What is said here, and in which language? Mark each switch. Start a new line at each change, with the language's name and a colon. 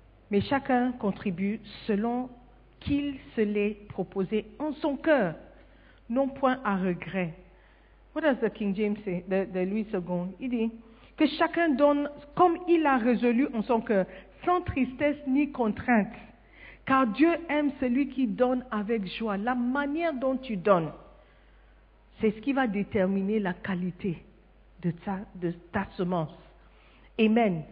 French: Mais chacun contribue selon qu'il se l'est proposé en son cœur, non point à regret.
English: What does the King James say, the Louis II?
French: Il dit que chacun donne comme il a résolu en son cœur, sans tristesse ni contrainte. Car Dieu aime celui qui donne avec joie. La manière dont tu donnes, c'est ce qui va déterminer la qualité de ta semence. Amen.